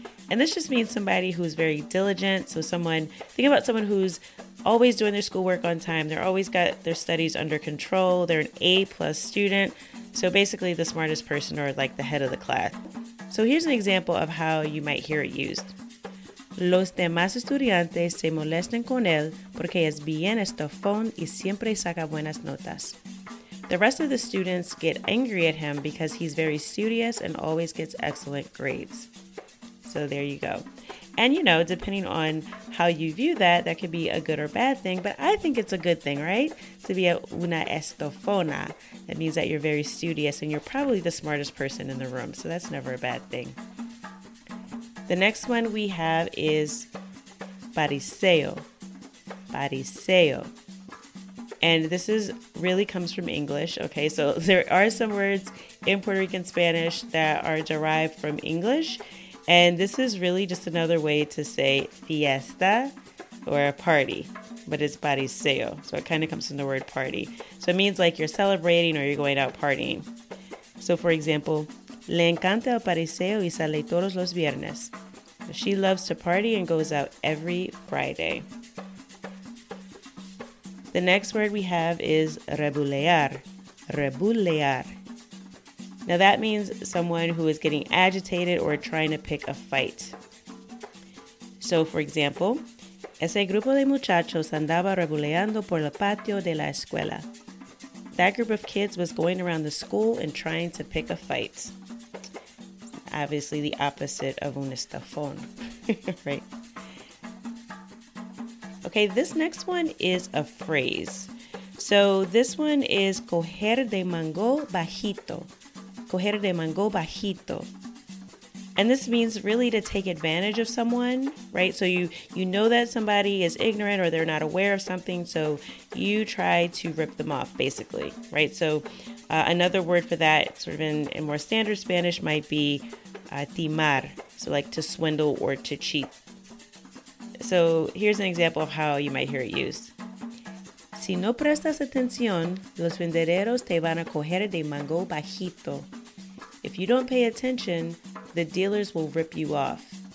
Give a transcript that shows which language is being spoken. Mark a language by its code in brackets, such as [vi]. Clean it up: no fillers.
[en] And this just means somebody who's very diligent. So think about someone who's always doing their schoolwork on time. They're always got their studies under control. They're an A+ student. So basically the smartest person or like the head of the class. So here's an example of how you might hear it used. [es] Los demás estudiantes se molestan con él porque es bien estofón y siempre saca buenas notas. [en] The rest of the students get angry at him because he's very studious and always gets excellent grades. So there you go. And you know, depending on how you view that, that could be a good or bad thing, but I think it's a good thing, right? To be a una estofona. That means that you're very studious and you're probably the smartest person in the room. So that's never a bad thing. The next one we have is pariseo. Pariseo. And this really comes from English, okay? So there are some words in Puerto Rican Spanish that are derived from English. And this is really just another way to say fiesta or a party, but it's pariseo. So it kind of comes from the word party. So it means like you're celebrating or you're going out partying. So for example, [es] le encanta el pariseo y sale todos los viernes. [en] She loves to party and goes out every Friday. The next word we have is rebulear. Rebulear. Now that means someone who is getting agitated or trying to pick a fight. So for example, [es] ese grupo de muchachos andaba rebuleando por el patio de la escuela. [en] That group of kids was going around the school and trying to pick a fight. Obviously the opposite of un estafón, right? Okay, this next one is a phrase. So this one is coger de mango bajito. [es] Coger de mango bajito. [en] And this means really to take advantage of someone, right? So you know that somebody is ignorant or they're not aware of something, so you try to rip them off, basically, right? So another word for that, sort of in more standard Spanish, might be timar, so like to swindle or to cheat. So here's an example of how you might hear it used. [es] Si no prestas atención, los vendederos te van a coger de mango bajito. [en] If you don't pay attention, the dealers will rip you off.